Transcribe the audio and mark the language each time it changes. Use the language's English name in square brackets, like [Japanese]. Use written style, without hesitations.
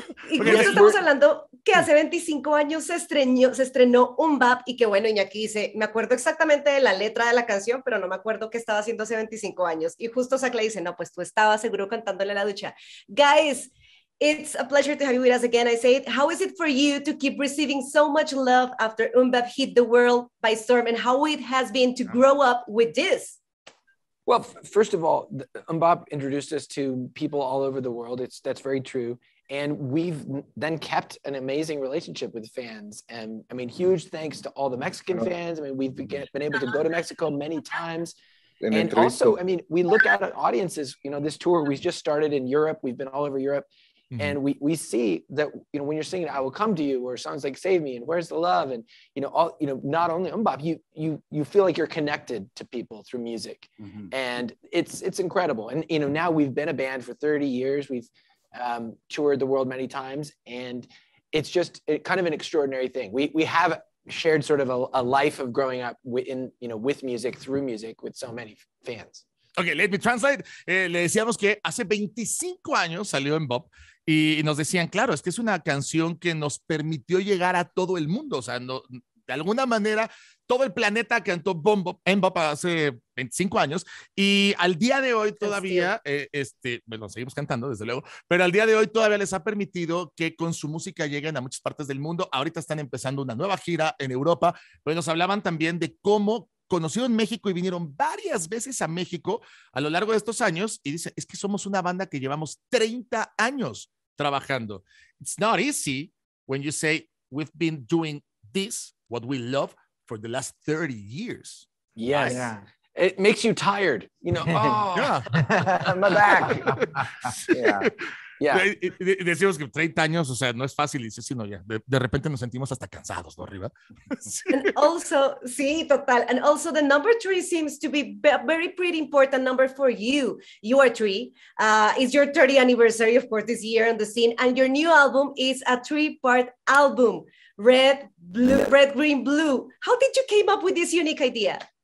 [Spanish] Incluso estamos hablando que hace 25 años se estrenó Umbap y que bueno, Iñaki dice, me acuerdo exactamente de la letra de la canción, pero no me acuerdo qué estaba haciendo hace 25 años. Y justo Zach le dice, no, pues tú estabas seguro cantándole la ducha. [English] Guys, it's a pleasure to have you with us again. I say, how is it for you to keep receiving so much love after Umbap hit the world by storm and how it has been to grow up with this? Well, first of all, Umbop introduced us to people all over the world. That's very true. And we've then kept an amazing relationship with fans. And I mean, huge thanks to all the Mexican fans. I mean, we've been able to go to Mexico many times. And also, I mean, we look out at audiences, you know, this tour, we just started in Europe. We've been all over Europe. Mm-hmm. And we see that, you know, when you're singing, I Will Come to You, or songs like Save Me and Where's the Love? And, you know, all, you know, not only Umbop, you feel like you're connected to people through music. Mm-hmm. And it's incredible. And, you know, now we've been a band for 30 years. We've toured the world many times. And it's just kind of an extraordinary thing. We have shared sort of a life of growing up with music, through music, with so many fans. Okay, let me translate. [Spanish] Le decíamos que hace 25 años salió en Bob y nos decían, claro, es que es una canción que nos permitió llegar a todo el mundo. O sea, no, de alguna manera, todo el planeta cantó en Bob hace 25 años y al día de hoy todavía, bueno, seguimos cantando, desde luego, pero al día de hoy todavía les ha permitido que con su música lleguen a muchas partes del mundo. Ahorita están empezando una nueva gira en Europa, pero nos hablaban también de cómo conocido en México y vinieron varias veces a México a lo largo de estos años y dice, es que somos una banda que llevamos 30 años trabajando. [English] It's not easy when you say we've been doing this, what we love, for the last 30 years. Yes. Right? Yeah. It makes you tired. You know, my back. Yeah. [Spanish] Decimos que 30 años, o sea, no es fácil, dice, sino ya. De repente nos sentimos hasta cansados, ¿no? Arriba. [English] And also, [Spanish] sí, total. [English] And also, the number three seems to be very pretty important number for you. You are three. It's your 30th anniversary, of course, this year on the scene. And your new album is a three-part album. Red, blue, red, green, blue. How did you came up with this unique idea?